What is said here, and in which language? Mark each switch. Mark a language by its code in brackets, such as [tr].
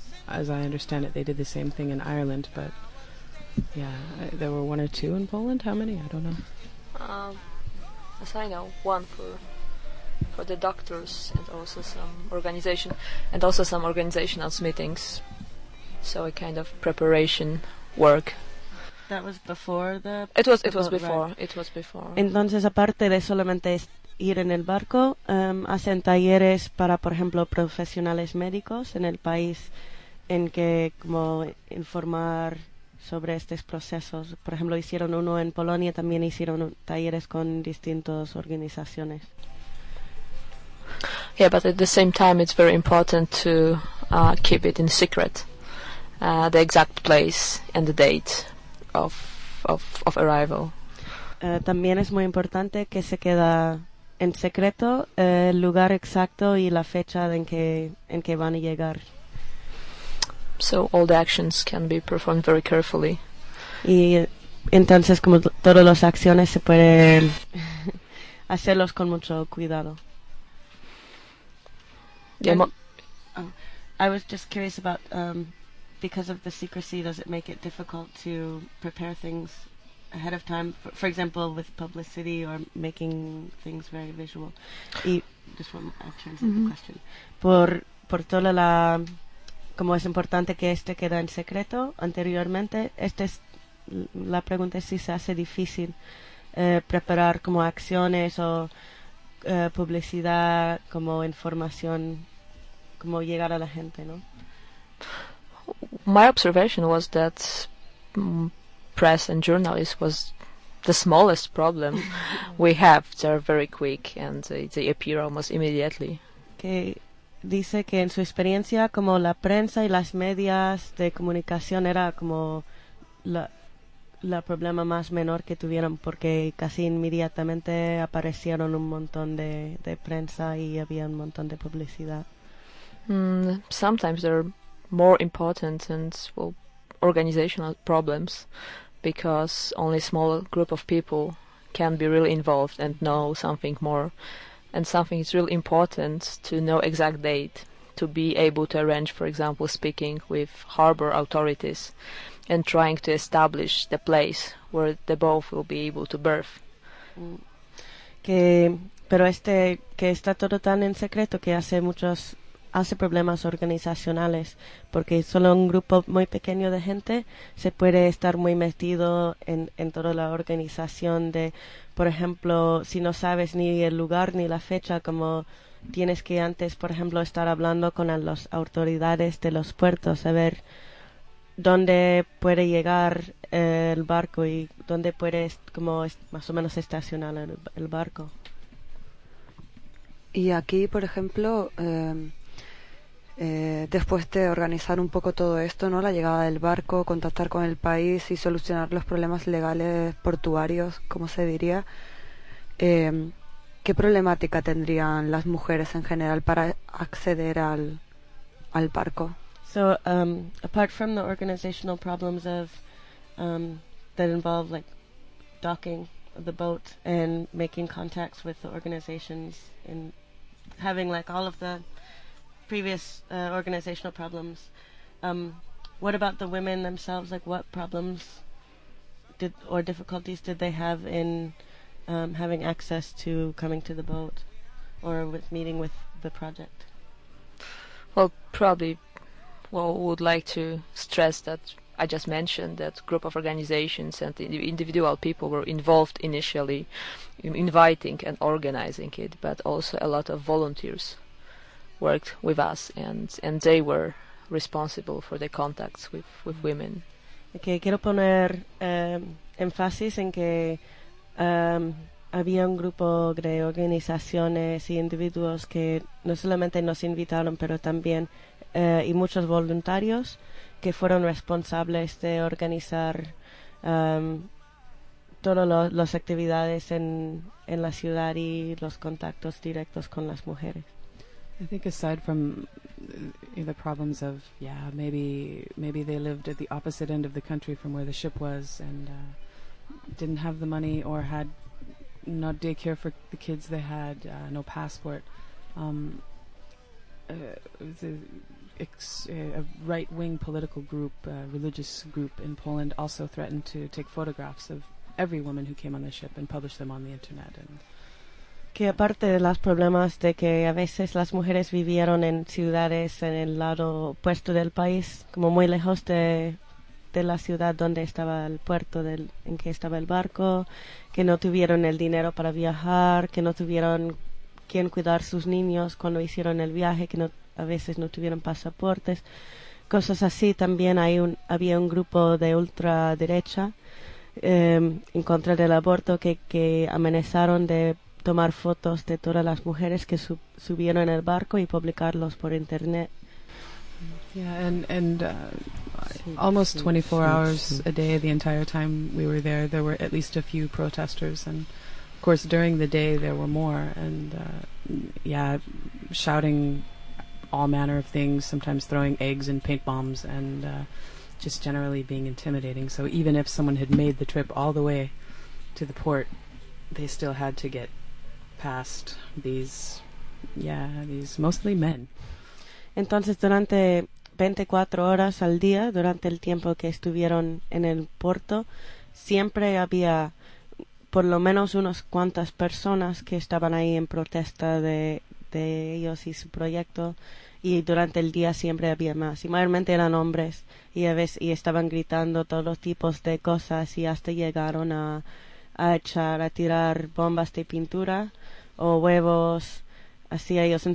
[en] As I understand it, they did the same thing in Ireland, but, yeah, there were one or two in Poland. How many? I don't know. As I know, one for the doctors, and also some organization, and also some organizational meetings, so a kind of preparation work. That was before the. It was before. [es] Entonces, aparte de solamente ir en el barco, hacen talleres para, por ejemplo, profesionales médicos en el país en que como informar sobre estos procesos. Por ejemplo, hicieron uno en Polonia, también hicieron talleres con distintas organizaciones. [en] Yeah, but at the same time, it's very important to keep it in secret, the exact place and the date of arrival. [es] También es muy importante que se queda en secreto el lugar exacto y la fecha en que van a llegar. [en] So all the actions can be performed very carefully. [es] Y entonces como todas las acciones se pueden hacerlos con mucho cuidado. [en] Yeah, I was just curious about, because of the secrecy, does it make it difficult to prepare things ahead of time, for example, with publicity or making things very visual? Y just want to translate the question. [es] Por toda la, como es importante que este quede en secreto anteriormente, este es, la pregunta es si se hace difícil preparar como acciones o publicidad, como información, como llegar a la gente, ¿no? [en] My observation was that press and journalists was the smallest problem we have. They're very quick and they appear almost immediately. [es] Que dice que en su experiencia como la prensa y las medias de comunicación era como la problema más menor que tuvieron porque casi inmediatamente aparecieron un montón de prensa y había un montón de publicidad. [en] Sometimes there are more important and well, organizational problems because only a small group of people can be really involved and know something more. And something is really important to know exact date, to be able to arrange, for example, speaking with harbor authorities and trying to establish the place where the boat will be able to berth. [es] Pero este que está todo tan en secreto que hace problemas organizacionales, porque solo un grupo muy pequeño de gente se puede estar muy metido en toda la organización de, por ejemplo, si no sabes ni el lugar ni la fecha, como tienes que antes, por ejemplo, estar hablando con las autoridades de los puertos, a ver dónde puede llegar el barco y dónde puede, como más o menos estacionar el barco. Y aquí, por ejemplo, después de organizar un poco todo esto, ¿no? La llegada del barco, contactar con el país y solucionar los problemas legales portuarios, ¿cómo se diría? ¿Qué problemática tendrían las mujeres en general para acceder al barco? [en] So, apart from the organizational problems of that involve like docking the boat and making contacts with the organizations and having like all of the previous organizational problems. What about the women themselves? Like, what problems difficulties did they have in having access to coming to the boat or with meeting with the project? Well, probably, well, would like to stress that I just mentioned that group of organizations and individual people were involved initially in inviting and organizing it, but also a lot of volunteers worked with us and they were responsible for the contacts with women. [es] Okay, quiero poner énfasis en que había un grupo de organizaciones y individuos que no solamente nos invitaron, pero también y muchos voluntarios que fueron responsables de organizar todas las actividades en la ciudad y los contactos directos con las mujeres. [en] I think aside from the problems of, yeah, maybe they lived at the opposite end of the country from where the ship was and didn't have the money or had no daycare for the kids they had, no passport, a right-wing political group, religious group in Poland also threatened to take photographs of every woman who came on the ship and publish them on the internet. And [es] que aparte de los problemas de que a veces las mujeres vivieron en ciudades en el lado opuesto del país, como muy lejos de la ciudad donde estaba el puerto en que estaba el barco, que no tuvieron el dinero para viajar, que no tuvieron quien cuidar sus niños cuando hicieron el viaje, que no, a veces no tuvieron pasaportes, cosas así. También había un grupo de ultraderecha en contra del aborto que amenazaron de tomar fotos de todas las mujeres que subieron en el barco y publicarlos por internet. [en] Yeah, and almost 24 hours a day, the entire time we were there, there were at least a few protesters, and of course during the day there were more, and shouting all manner of things, sometimes throwing eggs and paint bombs, and just generally being intimidating. So even if someone had made the trip all the way to the port, they still had to get past these mostly men. [es] Entonces, durante 24 horas al día, durante el tiempo que estuvieron en el puerto, siempre había por lo menos unas cuantas personas que estaban ahí en protesta de ellos y su proyecto, y durante el día siempre había más, y mayormente eran hombres, y estaban gritando todos los tipos de cosas, y hasta llegaron a tirar bombas de pintura o huevos hacia ellos.